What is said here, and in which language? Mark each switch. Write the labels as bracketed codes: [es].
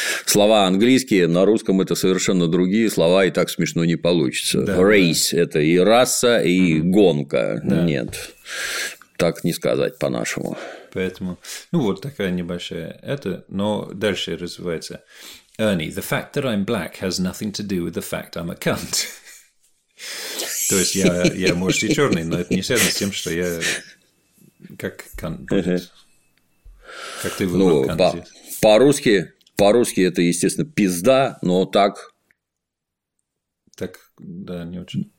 [ru] Слова английские, на русском это совершенно другие слова, и так смешно не получится. Да, race – это и раса, и гонка. Да. Нет, так не сказать по-нашему. Поэтому, ну, вот такая небольшая это, но дальше развивается. [en] Ernie, the fact that I'm black has nothing to do with the fact I'm a cunt. [ru] То есть, я может, и черный, но это не связано с тем, что я как кант будет. Как ты выбрал кант? По-русски это, естественно, пизда, но так... Так, да, не очень.